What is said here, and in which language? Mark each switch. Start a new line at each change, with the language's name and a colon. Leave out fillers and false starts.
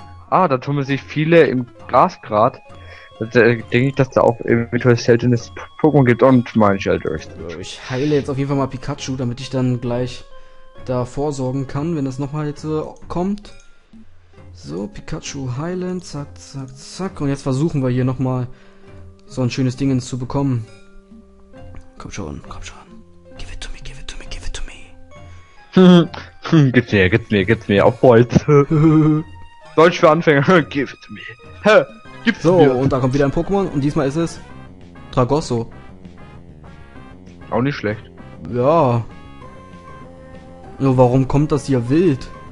German: Ah, da tummeln sich viele im Grasgrat. Da denke ich, dass da auch eventuell seltenes Pokémon gibt und mein Shelter ist. Ich heile jetzt auf jeden Fall mal Pikachu, damit ich dann gleich da vorsorgen kann, wenn das nochmal jetzt kommt. So, Pikachu heilen, zack, zack, zack. Und jetzt versuchen wir hier nochmal so ein schönes Ding zu bekommen. Komm schon, komm schon.
English: Give it to me, give it to me, give it to me.
German: Gib's mir, gib's mir, gib's mir, auf Holz. Deutsch für Anfänger,
English: give it to me.
German: Gib's so, mir. Und da kommt wieder ein Pokémon und diesmal ist es Dragosso. Auch nicht schlecht. Ja. Nur warum kommt das hier wild?